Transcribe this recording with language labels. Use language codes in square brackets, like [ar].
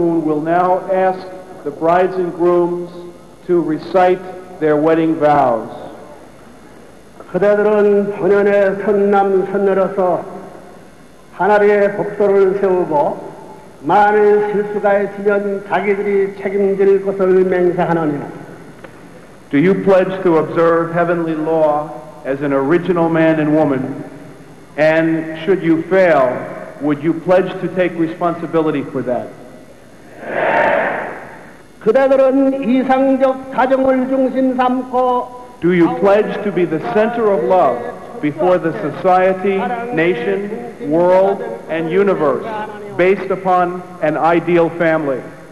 [en] Brides and grooms to recite their wedding vows. [ko] 그대들은 본연의 선남 선녀로서 하나님의 법도를 세우고 많은 실수가 있으면 자기들이 책임질 것을 맹세하노니. [en] Do you pledge to observe heavenly law as an original man and woman, and should you fail, Would you pledge to take responsibility for that? [ko] 그대들은 이상적 사정을 중심 삼고 [en] Do you pledge to be the center of love before the society, nation, world, and universe based upon an ideal family?